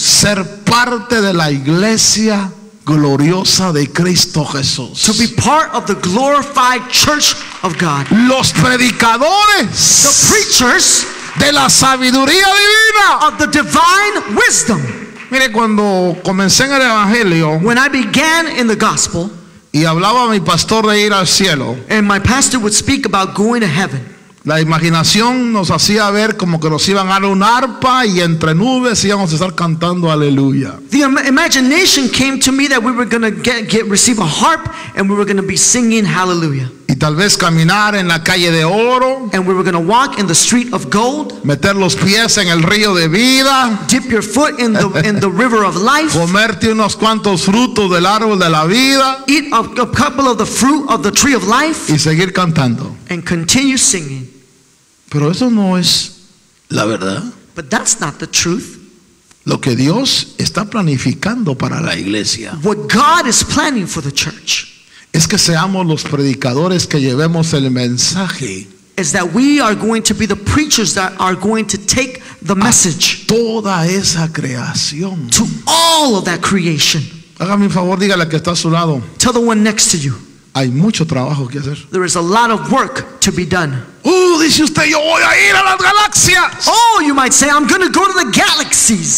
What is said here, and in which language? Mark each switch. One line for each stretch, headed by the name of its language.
Spanish: ser parte de la iglesia gloriosa de Cristo Jesús,
English: to be part of the glorified church of God.
Spanish: Los predicadores,
English: the preachers,
Spanish: de la sabiduría divina,
English: of the divine wisdom.
Spanish: Mire, cuando comencé en el evangelio,
English: when I began in the gospel,
Spanish: y hablaba a mi pastor de ir al cielo,
English: and my pastor would speak about going to heaven,
Spanish: la imaginación nos hacía ver como que nos iban a dar un arpa y entre nubes íbamos a estar cantando aleluya.
English: The imagination came to me that we were going to receive a harp and we were going to be singing hallelujah.
Spanish: Y tal vez caminar en la calle de oro,
English: and we were going to walk in the street of gold,
Spanish: meter los pies en el río de vida,
English: dip your foot in the river of life,
Spanish: comerte unos cuantos frutos del árbol de la vida,
English: eat a couple of the fruit of the tree of life,
Spanish: y seguir cantando,
English: and continue singing.
Spanish: Pero eso no es la verdad.
English: But that's not the truth.
Spanish: Lo que Dios está planificando para la iglesia,
English: what God is planning for the church,
Spanish: es que seamos los predicadores que llevemos el mensaje,
English: is that we are going to be the preachers that are going to take the message,
Spanish: a toda esa creación,
English: to all of that creation.
Spanish: Hágame un favor, dígale que está a su lado,
English: tell the one next to you,
Spanish: hay mucho trabajo que hacer.
English: There is a lot of work to be done.
Spanish: Dice usted, yo voy a ir a las galaxias.
English: Oh, you might say, I'm going to go to the galaxies.